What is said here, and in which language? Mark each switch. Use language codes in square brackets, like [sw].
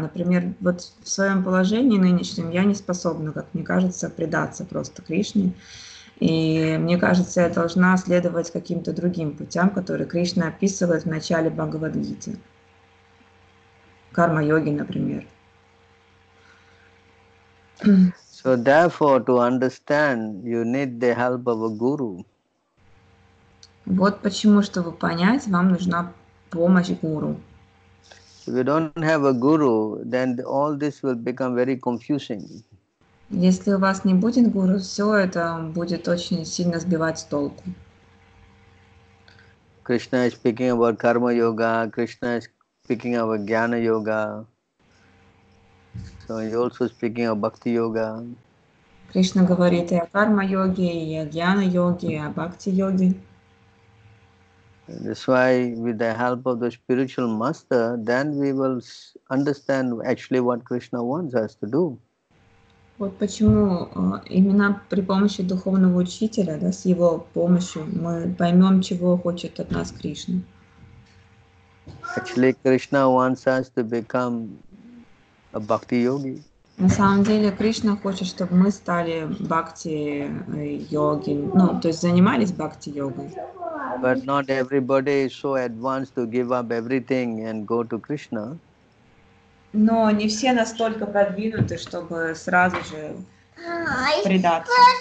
[ru] Например, вот в своем положении нынешнем я не способна, как мне кажется, предаться просто Кришне. И мне кажется, я должна следовать каким-то другим путям, которые Кришна описывает в начале Бхагавад-гиты. Карма-йоги, например. [en] So therefore, to understand, you need the help of a guru. [ru] Вот почему, чтобы понять, вам нужна помощь гуру. [en] If you don't have a guru, then all this will become very confusing. [ru] Если у вас не будет гуру, все это будет очень сильно сбивать с толку. [en] Krishna is speaking about karma yoga. Krishna is speaking about jnana yoga. So he also speaking about bhakti yoga. [ru] Кришна говорит и о карма йоге, и о джняна йоге, и о бхакти йоге. [en] That's why, with the help of the spiritual master, then we will understand actually what Krishna wants us to do. [ru] Вот почему именно при помощи духовного учителя, да, с его помощью мы поймем, чего хочет от нас Кришна. [en] Actually, Krishna wants us to become a bhakti yogi. [ru] На самом деле Кришна хочет, чтобы мы стали бхакти йоги, ну, то есть занимались бхакти йогой. [en] But not everybody is so advanced to give up everything and go to Krishna. [ru] Но не все настолько продвинуты, чтобы сразу же предаться.